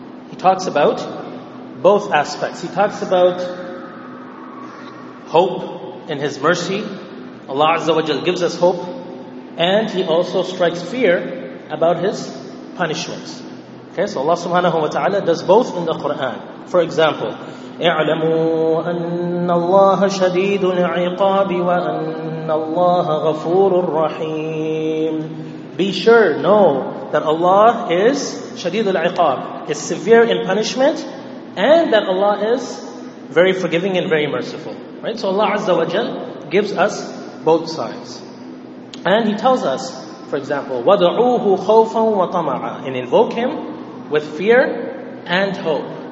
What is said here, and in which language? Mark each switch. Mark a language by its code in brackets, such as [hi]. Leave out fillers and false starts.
[en] He talks about both aspects. He talks about hope in His mercy. Allah Azza wa Jalla gives us hope. And He also strikes fear about His punishments. Okay, so Allah subhanahu wa ta'ala does both in the Quran. For example, [ar] اِعْلَمُوا أَنَّ اللَّهَ شَدِيدُ الْعِقَابِ وَأَنَّ اللَّهَ غَفُورٌ رَّحِيمٌ. [en] Be sure, know that Allah is [ar] شديد العقاب, [en] is severe in punishment, and that Allah is very forgiving and very merciful. Right? So Allah Azza wa Jal gives us both sides. And He tells us, for example, [ar] وَدْعُوهُ خَوْفًا وَطَمَعًا, [en] and invoke Him with fear and hope.